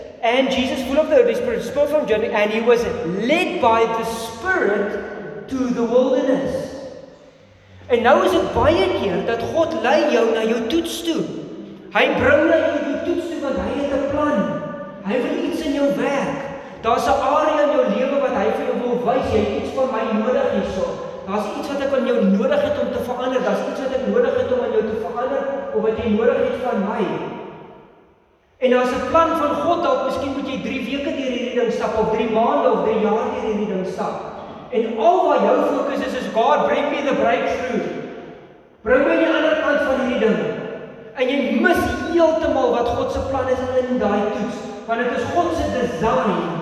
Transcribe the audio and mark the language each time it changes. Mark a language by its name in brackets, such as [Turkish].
[English] And Jesus, full of the Holy Spirit, spoke from John, and he was led by the Spirit to the wilderness. [Afrikaans] En nou is dit baie keer dat God lei jou na jou toets toe. Hy bring jou na jou toets toe want hy het 'n plan. Hy wil iets in jou werk. Daar's 'n area in jou lewe wat hy vir jou wil wys, jy het iets van my nodig hierso. Daar's iets wat ek aan jou nodig het om te verander. Daar's iets wat ek nodig het om aan jou te verander of wat jy nodig het van my. En daar's 'n plan van God dalk miskien moet jy 3 weke deur hierdie ding stap of 3 maande of 3 jaar deur hierdie ding stap. En al wat jou fokus is God [English] bring me the breakthrough. [Afrikaans] Bring my die ander kant van hierdie ding. En jy mis heeltemal wat God se plan is in daai toets, want dit is God se design.